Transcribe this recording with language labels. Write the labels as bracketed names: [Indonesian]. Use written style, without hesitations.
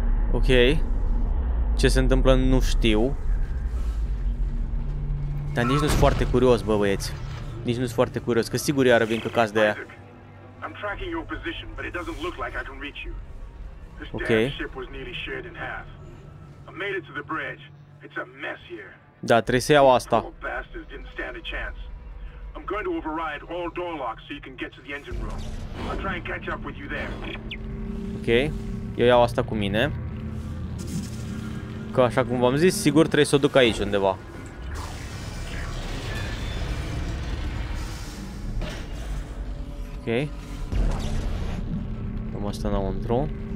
[Romanian] Ok. Ce se întâmplă nu știu. Dar nici nu-s foarte curios, bă, băieți. Nici nu-s foarte curios, că sigur iară vin căcați de aia. [English] I'm tracking your position, but it doesn't look like I can reach you. This okay. Damn ship was nearly shared in half. I made it to the bridge. It's a mess here. [Romanian] Da, trebuie să iau asta. [English] The bastards didn't stand a chance. I'm going to override all door locks so you can get to the engine room. I'll try and catch up with you there. [Romanian] Ok. Eu iau asta cu mine. Că așa cum v-am zis, sigur trebuie să o duc aici undeva. Ok. Dăm asta înăuntru.